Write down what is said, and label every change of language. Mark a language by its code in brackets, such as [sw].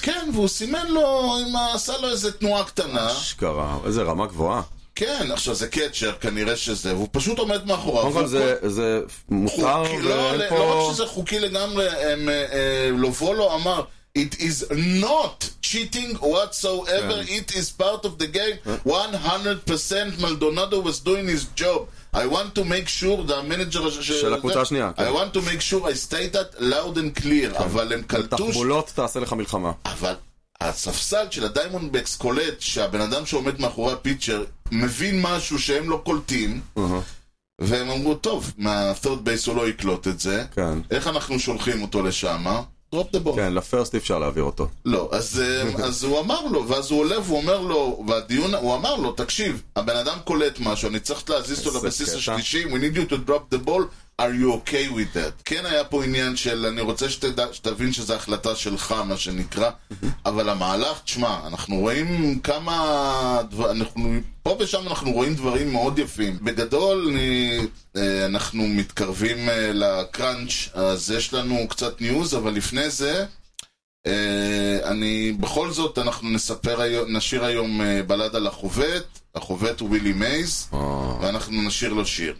[he] כן, והוא סימן לו, עשה לו איזה תנועה קטנה. אשכרה, איזה רמה גבוהה. כן, עכשיו זה קצ'ר, כנראה שזה, והוא פשוט עומד מאחורה. קודם כל זה מותר ואין לא, פה... לא רק שזה חוקי לגמרי, לובולו אמר, [en] it is not cheating whatsoever, [he] כן. [en] It is part of the game, 100% מלדונדו was doing his job. I want to make sure the manager... [he] של הקבוצה השנייה, כן. [en] I want to make sure I state that loud and clear, [he] כן. אבל הם קלטו... תחבולות תעשה לך מלחמה. אבל... הספסל של הדיימונד בקס קולט שהבן אדם שעומד מאחורי הפיצ'ר מבין משהו שהם לא קולטים, והם אמרו, טוב, מהתורד בייס הוא לא יקלוט את זה, כן. איך אנחנו שולחים אותו לשם? [en] דרופ דה בול. [he] כן, לפרסט אי אפשר להעביר אותו. לא, אז, אז הוא אמר לו, ואז הוא עולה ואומר לו, והדיון, הוא אמר לו, תקשיב, הבן אדם קולט משהו, אני צריך להזיז אותו לבסיס קטע. השלישי, [en] we need you to drop the ball, are you okay with that? [he] כן היה פה עניין של, אני רוצה שתבין שזו החלטה שלך, מה שנקרא, אבל המהלך, תשמע, אנחנו רואים כמה, אנחנו, פה ושם אנחנו רואים דברים מאוד יפים. בגדול, אנחנו מתקרבים לקרנץ', אז יש לנו קצת ניוז, אבל לפני זה, אני, בכל זאת, אנחנו נספר היום, נשיר היום בלד על החובט, החובט הוא ווילי מייז, ואנחנו נשיר לו שיר.